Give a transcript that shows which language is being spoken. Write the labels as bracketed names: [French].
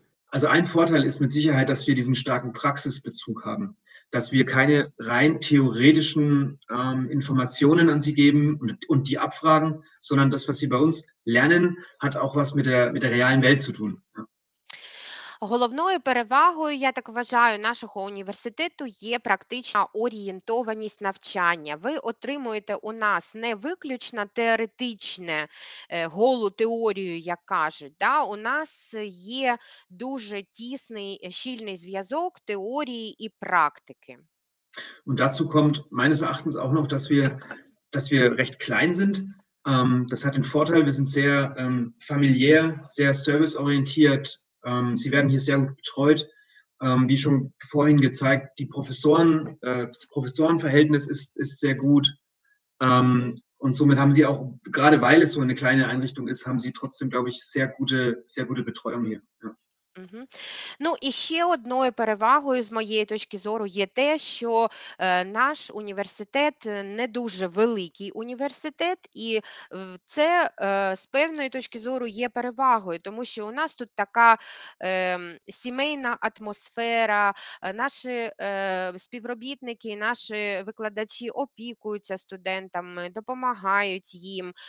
[German] Also ein Vorteil ist mit Sicherheit, dass wir diesen starken Praxisbezug haben, dass wir keine rein theoretischen Informationen an Sie geben und die abfragen, sondern das, was Sie bei uns lernen, hat auch was mit der realen Welt zu tun. [Ukrainian] Головною перевагою, я так вважаю, нашого університету є практична орієнтованість навчання. Ви отримуєте у нас не виключно теоретичне, голу теорію, як кажуть, да? У нас є дуже тісний, щільний зв'язок теорії і практики. [German] Und dazu kommt meines Erachtens auch noch, dass wir recht klein sind. Das hat den Vorteil, wir sind sehr familiär, sehr serviceorientiert. Sie werden hier sehr gut betreut. Wie schon vorhin gezeigt, das Professorenverhältnis ist sehr gut. Und somit haben Sie auch, gerade weil es so eine kleine Einrichtung ist, haben Sie trotzdem, glaube ich, sehr gute Betreuung hier. Ja. [Ukrainian] Ну, і ще одною перевагою, з моєї точки зору, є те, що наш університет не дуже великий університет, і це з певної точки зору є перевагою, тому що у нас тут така сімейна атмосфера, наші співробітники, наші викладачі опікуються студентами, допомагають їм.